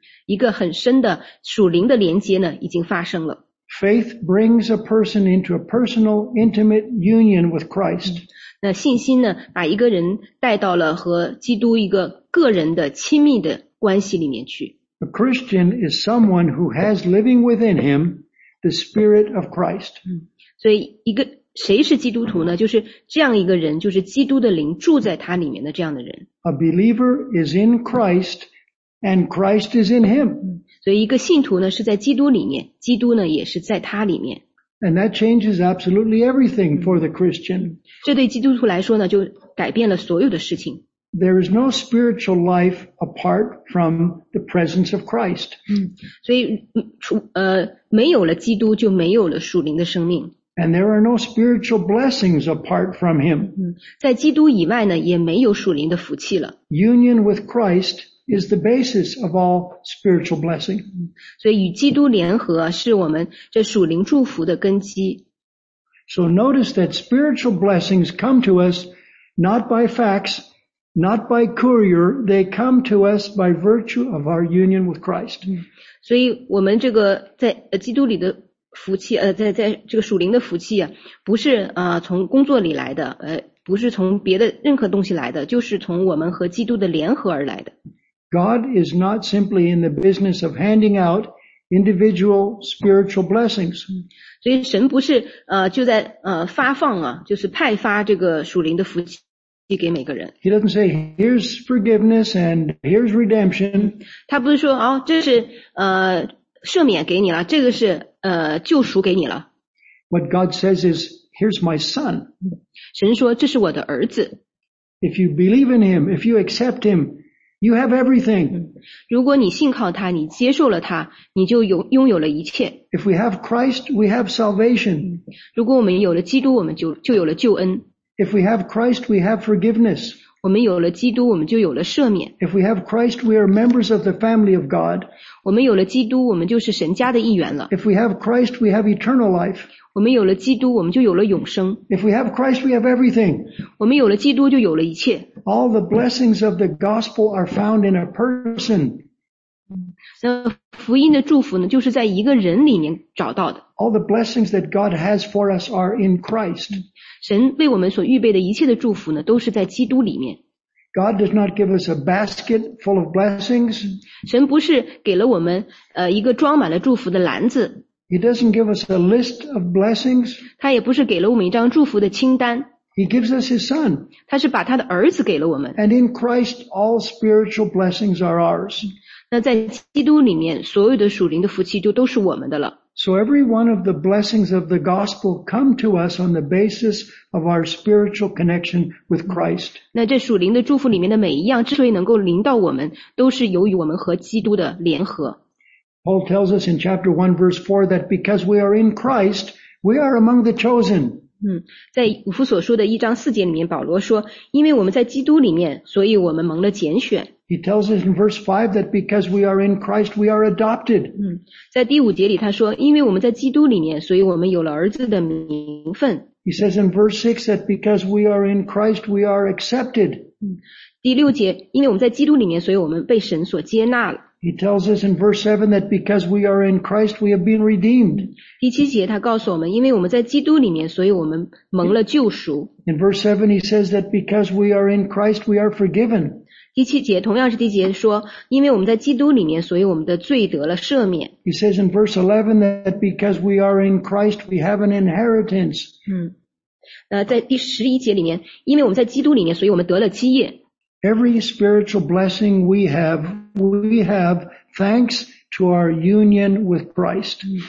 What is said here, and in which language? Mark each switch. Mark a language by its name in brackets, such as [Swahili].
[Chinese] 一个很深的属灵的连接呢，已经发生了。 [English] Faith brings a person into a personal, intimate union with Christ. [Chinese] 那信心呢，把一个人带到了和基督一个个人的亲密的关系里面去。 [English] A Christian is someone who has living within him the Spirit of Christ. [Chinese] 所以谁是基督徒呢？就是这样一个人，就是基督的灵住在他里面的这样的人。 [English] A believer is in Christ, and Christ is in him. [Chinese] 所以一个信徒呢，是在基督里面，基督呢，也是在他里面。 [English] And that changes absolutely everything for the Christian. [Chinese] 这对基督徒来说呢，就改变了所有的事情。 [English] There is no spiritual life apart from the presence of Christ. [Chinese] 所以没有了基督，就没有了属灵的生命。 [English] And there are no spiritual blessings apart from him. [Chinese] 在基督以外呢，也没有属灵的福气了。 [English] Union with Christ is the basis of all spiritual blessing. [Chinese] 所以与基督联合是我们这属灵祝福的根基。 [English] So notice that spiritual blessings come to us not by fax, not by courier, they come to us by virtue of our union with Christ. [Chinese] 所以我们这个在基督里的福气在这个属灵的福气不是从工作里来的不是从别的任何东西来的，就是从我们和基督的联合而来的。 [English] God is not simply in the business of handing out individual spiritual blessings. [Chinese] 所以神不是就在发放就是派发这个属灵的福气给每个人。 [English] He doesn't say, here's forgiveness and here's redemption. [Chinese] 他不是说这是赦免给你了，这个是救赎给你了。 [English] What God says is, here's my son. [Chinese] 神说这是我的儿子。 [English] If you believe in him, if you accept him, you have everything. [Chinese] 如果你信靠他，你接受了他，你就拥有了一切。 [English] If we have Christ, we have salvation. [Chinese] 如果我们有了基督，我们就有了救恩。 [English] If we have Christ, we have forgiveness. [Chinese] 我们有了基督，我们就有了赦免。 [English] If we have Christ, we are members of the family of God. [Chinese] 我们有了基督，我们就是神家的一员了。 [English] If we have Christ, we have eternal life. [Chinese] 我们有了基督，我们就有了永生。 [English] If we have Christ, we have everything. [Chinese] 我们有了基督，就有了一切。 [English] All the blessings of the gospel are found in a person. [Chinese] 那福音的祝福呢，就是在一个人里面找到的。 [English] All the blessings that God has for us are in Christ. [Chinese] 神为我们所预备的一切的祝福呢，都是在基督里面。 [English] God does not give us a basket full of blessings. [Chinese] 神不是给了我们一个装满了祝福的篮子。 [English] He doesn't give us a list of blessings. [Chinese] 他也不是给了我们一张祝福的清单。 [English] He gives us his son. [Chinese] 他是把他的儿子给了我们。 [English] And in Christ, all spiritual blessings are ours. [Chinese] 那在基督里面，所有的属灵的福气就都是我们的了。 [English] So every one of the blessings of the gospel come to us on the basis of our spiritual connection with Christ. [Chinese] 那这属灵的祝福里面的每一样之所以能够临到我们，都是由于我们和基督的联合。 [English] Paul tells us in chapter 1 verse 4 that because we are in Christ, we are among the chosen. [Chinese] 在以弗所书的一章四节里面，保罗说，因为我们在基督里面，所以我们蒙了拣选。 [English] He tells us in verse 5 that because we are in Christ, we are adopted. [Chinese] 在第五节里他说，因为我们在基督里面，所以我们有了儿子的名分。 [English] He says in verse 6 that because we are in Christ, we are accepted. [Chinese] 第六节，因为我们在基督里面，所以我们被神所接纳了。 [English] He tells us in verse 7 that because we are in Christ, we have been redeemed. [Chinese] 第七节他告诉我们，因为我们在基督里面，所以我们蒙了救赎。 [English] In verse 7, he says that because we are in Christ, we are forgiven. [Chinese] 第七节，同样是第七节说，因为我们在基督里面，所以我们的罪得了赦免。 [English] He says in verse 11 that because we are in Christ, we have an inheritance. [Chinese] 在第十一节里面，因为我们在基督里面，所以我们得了基业。 [English] Every spiritual blessing we have thanks to our union with Christ.